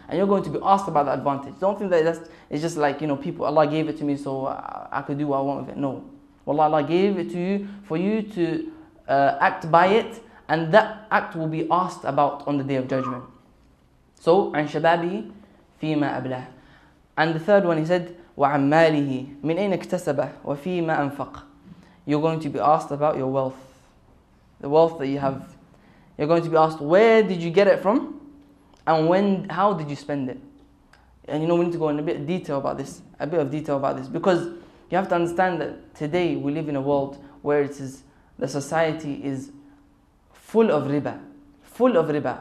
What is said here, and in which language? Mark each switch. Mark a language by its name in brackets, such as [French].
[English] And you're going to be asked about the advantage. Don't think that it's just like, you know, people, Allah gave it to me so I could do what I want with it. No. Wallah, Allah gave it to you for you to act by it, and that act will be asked about on the day of judgment. So, [Arabic] عن شبابه فيما أبلاه. [English] And the third one, he said, [Arabic] وعن ماله من أين اكتسبه وفيما أنفق. [English] You're going to be asked about your wealth, the wealth that you have. You're going to be asked, where did you get it from? And when? How did you spend it? And you know, we need to go in a bit of detail about this. Because you have to understand that today we live in a world where it is, the society is full of riba. Full of riba.